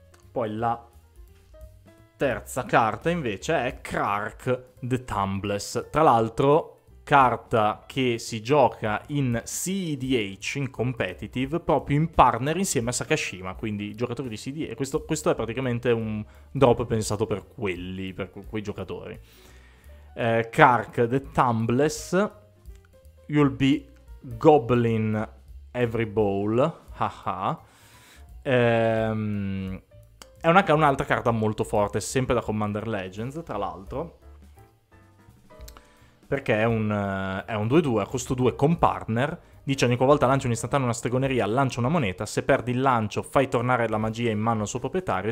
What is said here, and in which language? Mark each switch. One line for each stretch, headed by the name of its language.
Italian: Poi la terza carta invece è Krark the Tumbless. Tra l'altro, carta che si gioca in CEDH, in competitive, proprio in partner insieme a Sakashima, quindi giocatori di CEDH. Questo è praticamente un drop pensato per quelli, per quei giocatori.
English: Krark the Tumbless, you'll be gobbling every bowl, haha.
Italian: È un'altra carta molto forte, sempre da Commander Legends, tra l'altro. perché è un 2-2 a costo 2 con partner. Dice: ogni qualvolta lancia un istantaneo una stregoneria, lancia una moneta. Se perdi il lancio, fai tornare la magia in mano al suo proprietario.